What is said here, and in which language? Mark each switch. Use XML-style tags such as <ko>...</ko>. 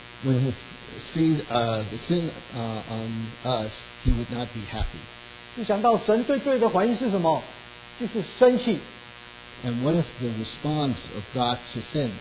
<en>When he sees the sin on us, he would not be happy.</en> <zh>就想到神对罪的反应是什么？就是生气。</zh> <en>And what is the response of God to sin?</en>